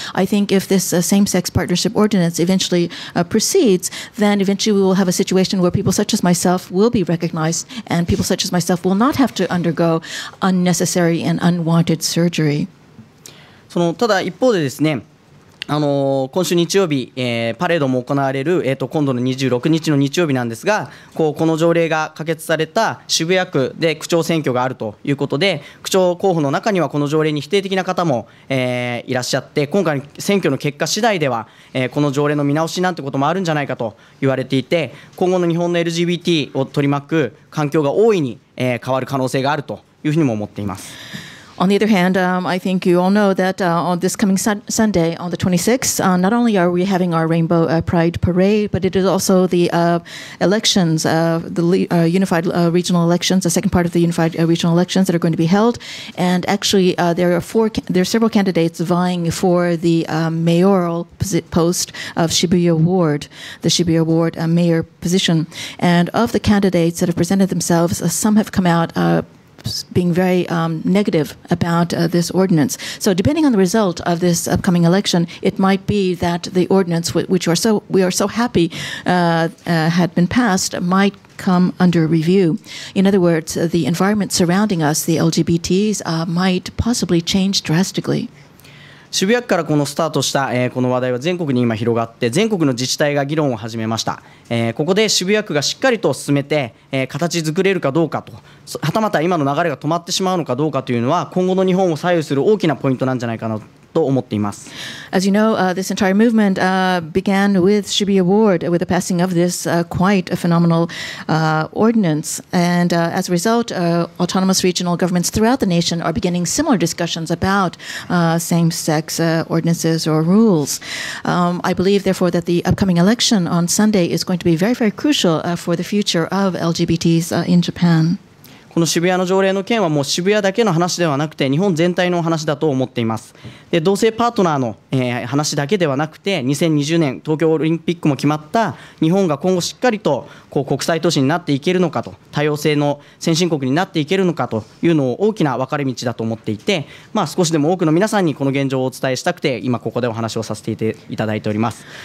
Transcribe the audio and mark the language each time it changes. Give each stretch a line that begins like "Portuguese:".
English: I think if this same-sex partnership ordinance eventually proceeds, then eventually we will have a situation where people such as myself will be recognized and people such as myself will not have to undergo unnecessary and unwanted surgery.
Japanese: そのただ一方でですね、今週日曜日、パレードも行われる、今度の26日の日曜日なんですが、この条例が可決された渋谷区で区長選挙があるということで、区長候補の中にはこの条例に否定的な方も、いらっしゃって、今回の選挙の結果次第では、この条例の見直しなんてこともあるんじゃないかと言われていて、今後の日本の LGBT を取り巻く環境が大いに、変わる可能性があるというふうにも思っています。
English: On the other hand, I think you all know that on this coming Sunday, on the 26th, not only are we having our Rainbow Pride Parade, but it is also the elections, unified regional elections, the second part of the unified regional elections that are going to be held. And actually, there are several candidates vying for the mayoral post of Shibuya Ward, the Shibuya Ward mayor position. And of the candidates that have presented themselves, some have come out being very negative about this ordinance. So depending on the result of this upcoming election, it might be that the ordinance which we are so happy had been passed might come under review. In other words, the environment surrounding us, the LGBTs, might possibly change drastically.
Japanese: 渋谷区からこのスタートした、この話題は全国に今広がって全国の自治体が議論を始めました、ここで渋谷区がしっかりと進めて、形作れるかどうかと、はたまた今の流れが止まってしまうのかどうかというのは今後の日本を左右する大きなポイントなんじゃないかなと思っています。
English: As you know, this entire movement began with Shibuya Ward, with the passing of this quite a phenomenal ordinance. And as a result, autonomous regional governments throughout the nation are beginning similar discussions about same-sex ordinances or rules. I believe, therefore, that the upcoming election on Sunday is going to be very, very crucial for the future of LGBTs in Japan.
Japanese: この渋谷の条例の件はもう渋谷だけの話ではなくて日本全体の話だと思っています。で、同性パートナーの、話だけではなくて2020年東京オリンピックも決まった日本が今後しっかりとこう国際都市になっていけるのかと、多様性の先進国になっていけるのかというのを大きな分かれ道だと思っていて、まあ、少しでも多くの皆さんにこの現状をお伝えしたくて今ここでお話をさせていただいております。